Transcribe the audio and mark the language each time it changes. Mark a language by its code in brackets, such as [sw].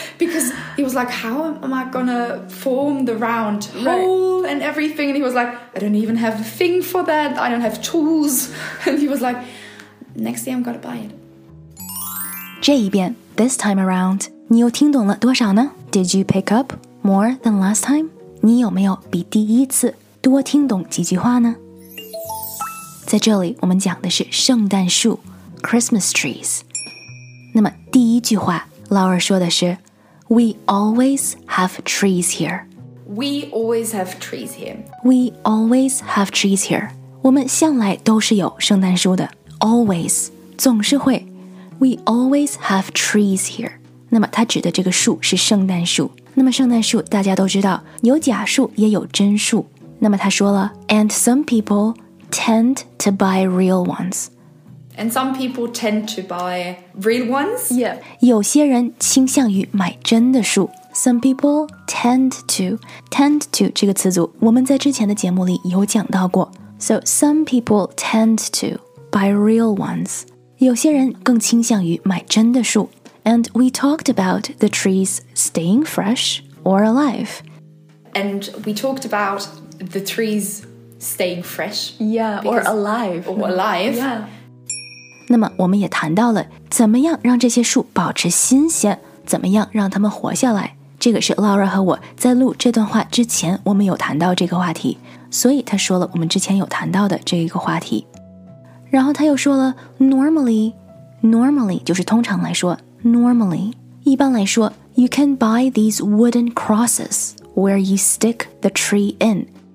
[en] Because he was like, how am I going to form the round hole and everything? And he was like, I don't even have a thing for that. I don't have tools. And he was like, next day I'm going to buy it. [zh] 这一遍 [en] this time around, [zh] 你又听懂了多少呢? [en] Did you pick up more than last time? [zh] 你有没有比第一次多听懂几句话呢? 在这里我们讲的是圣诞树。 [en] Christmas trees. [zh] 那么第一句话老二说的是 [en] We always have trees here. We always have trees here. We always have trees here. [zh] 我们向来都是有圣诞树的 [en] Always, [zh] 总是会 [en] We always have trees here. [zh] 那么他指的这个树是圣诞树。那么圣诞树大家都知道有假树也有真树。那么他说了 [en] And some people tend to buy real ones. And some people tend to buy real ones. Yeah. [zh] 有些人倾向于买真的树。 [en] Some people tend to. Tend to [zh] 这个词组我们在之前的节目里有讲到过。 [en] So some people tend to buy real ones. [zh] 有些人更倾向于买真的树。 [en] And we talked about the trees staying fresh or alive. And we talked about the trees staying fresh. Yeah, or alive. Or alive. Yeah. [zh] 那么我们也谈到了怎么样让这些树保持新鲜怎么样让它们活下来这个是 Laura 和我在录这段话之前我们有谈到这个话题所以他说了我们之前有谈到的这个话题然后他又说了 normally 就是通常来说 normally 一般来说 [en] you can buy these wooden crosses where you stick the tree in